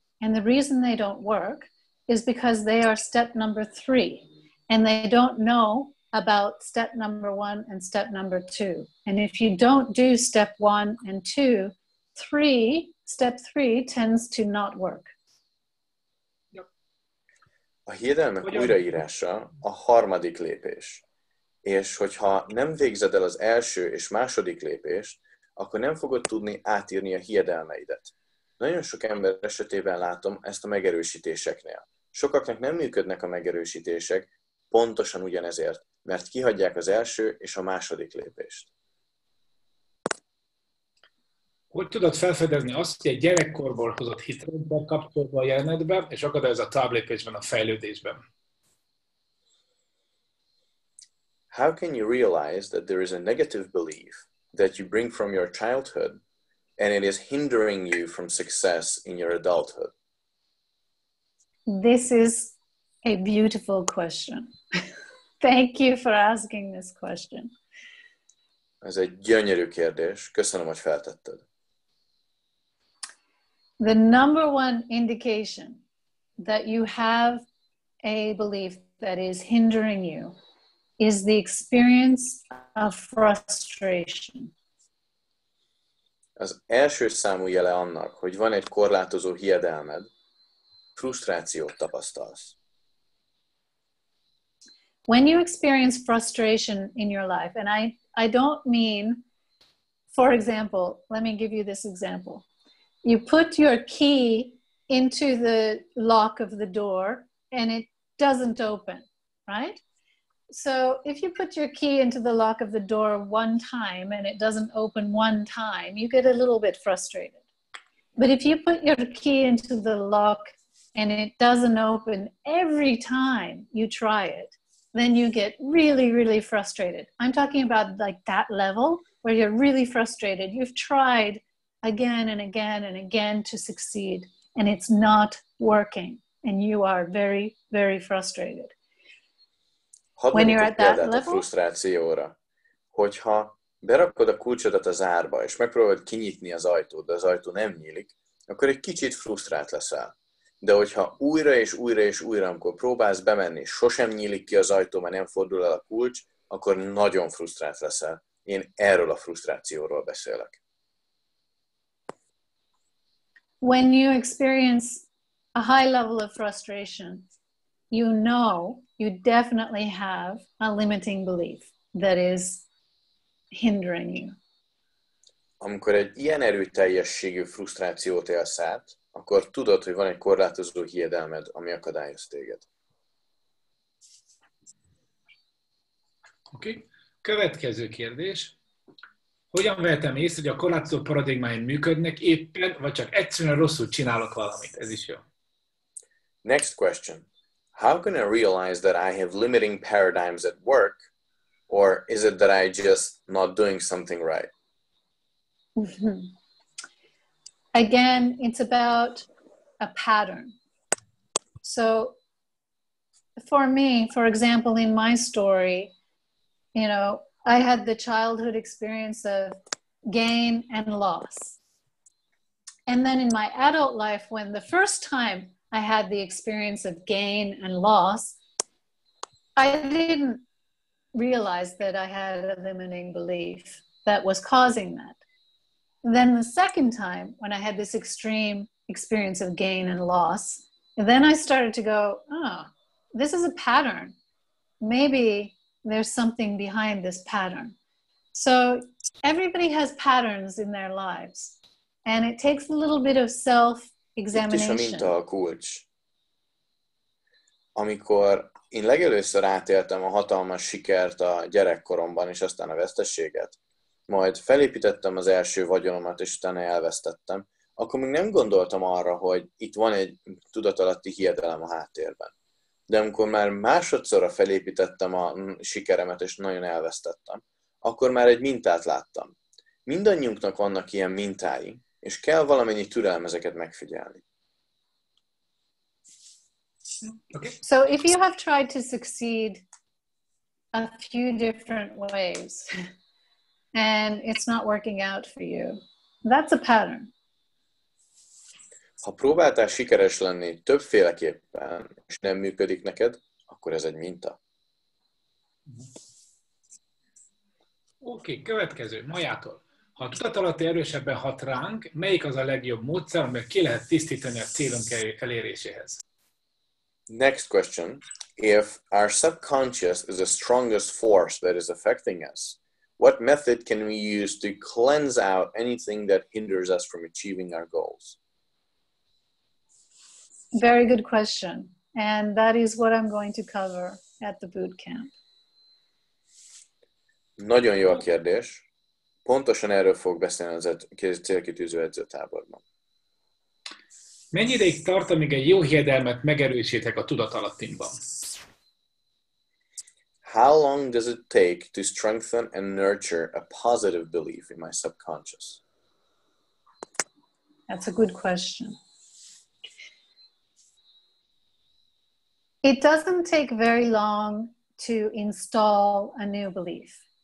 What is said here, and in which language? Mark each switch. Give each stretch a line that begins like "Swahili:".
English: And the reason they don't work is because they are step number three, and they don't know about step number one and step number two. And if you don't do step one and two, step three tends to not work.
Hungarian: A hiedelmek újraírása a harmadik lépés. És hogyha nem végzed el az első és második lépést, akkor nem fogod tudni átírni a hiedelmeidet. Nagyon sok ember esetében látom ezt a megerősítéseknél. Sokaknak nem működnek a megerősítések, pontosan ugyanezért, mert kihagyják az első és a második lépést. Hogy tudod felfedezni azt, hogy egy gyerekkorból hozott hitrendben kapcsolva a jelenetben, és akad ez a táblépésben, a fejlődésben?
English: How can you realize that there is a negative belief that you bring from your childhood, and it is hindering you from success in your adulthood? This is a beautiful question. Thank you for asking this question.
Hungarian: Ez egy gyönyörű kérdés. Köszönöm, hogy feltetted.
English: The number one indication that you have a belief that is hindering you is the experience of frustration.
Hungarian: Az első számú jele annak, hogy van egy korlátozó hiedelmed, frusztrációt tapasztalsz.
English: When you experience frustration in your life, and I don't mean, for example, let me give you this example. You put your key into the lock of the door and it doesn't open, right? So if you put your key into the lock of the door one time and it doesn't open one time, you get a little bit frustrated. But if you put your key into the lock and it doesn't open every time you try it, then you get really, really frustrated. I'm talking about like that level where you're really frustrated. You've tried again and again and again to succeed and it's not working and you are very, very frustrated.
Hungarian: Hadd
English: when you're at that level?
Hungarian: A frusztrációra, hogyha berakod a kulcsodat a zárba és megpróbálod kinyitni az ajtót, de az ajtó nem nyílik, akkor egy kicsit frusztrált leszel. De hogyha újra és újra és újra, amikor próbálsz bemenni, sosem nyílik ki az ajtó, mert nem fordul el a kulcs, akkor nagyon frusztrált leszel. Én erről a frusztrációról beszélek.
English: When you experience a high level of frustration, you know you definitely have a limiting belief that is hindering you.
Hungarian: Amikor egy ilyen erőteljességű frusztrációt élsz át, akkor tudod, hogy van egy korlátozó hiedelmed, ami akadályoz téged. Oké. Okay. Következő kérdés. Hogyan vehetem észre, hogy a korlátozó paradigmáim működnek éppen, vagy csak egyszerűen rosszul csinálok valamit? Ez is jó.
English: Next question. How can I realize that I have limiting paradigms at work, or is it that I just not doing something right? Again, it's about a pattern. So for me, for example, in my story, you know, I had the childhood experience of gain and loss. And then in my adult life, when the first time I had the experience of gain and loss, I didn't realize that I had a limiting belief that was causing that. Then the second time, when I had this extreme experience of gain and loss, then I started to go, oh, this is a pattern. Maybe there's something behind this pattern. So everybody has patterns in their lives. And it takes a little bit of self-examination.
Hungarian: Itt is a minta a kulcs. Amikor én legelőször átéltem a hatalmas sikert a gyerekkoromban, és aztán a vesztességet, majd felépítettem az első vagyonomat, és utána elvesztettem, akkor még nem gondoltam arra, hogy itt van egy tudatalatti hiedelem a háttérben. De amikor már másodszorra felépítettem a sikeremet, és nagyon elvesztettem, akkor már egy mintát láttam. Mindannyiunknak vannak ilyen mintái, és kell valamennyi türelem ezeket megfigyelni.
English: Okay. So if you have tried to succeed a few different ways, and it's not working out for you, that's a pattern.
Hungarian: Ha próbáltál sikeres lenni többféleképpen, és nem működik neked, akkor ez egy minta. Oké, okay, következő, Majától. Ha a tudatalatti erősebben hat ránk, melyik az a legjobb módszer, amely ki lehet tisztítani a célunk eléréséhez?
English: Next question. If our subconscious is the strongest force that is affecting us, what method can we use to cleanse out anything that hinders us from achieving our goals? Very good question. And that is what I'm going to cover at the boot camp.
Hungarian: Nagyon jó a kérdés. Pontosan erről fog beszélni az célkitűző edzőtáborban. Mennyi ideig tart, amíg egy jó hiedelmet megerősítek a tudatalattimban?
English: How long does it take to strengthen and nurture a positive belief in my subconscious? That's a good question. It doesn't take very long to install a new belief.